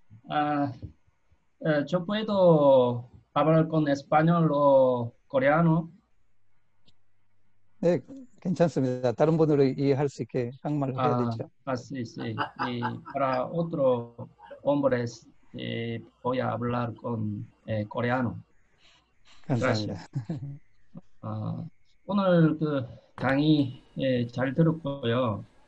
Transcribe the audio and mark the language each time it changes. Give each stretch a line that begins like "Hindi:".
Spanish: 아, yo puedo hablar con español o coreano.
Korean: 네, 괜찮습니다. 다른 분으로 이해할 수 있게 한국말로 해야 되죠.
Spanish: 아, sí, sí. Y para otro hombres voy a hablar con coreano.
Korean: 감사합니다. 오늘 그 강의 잘 들었고요.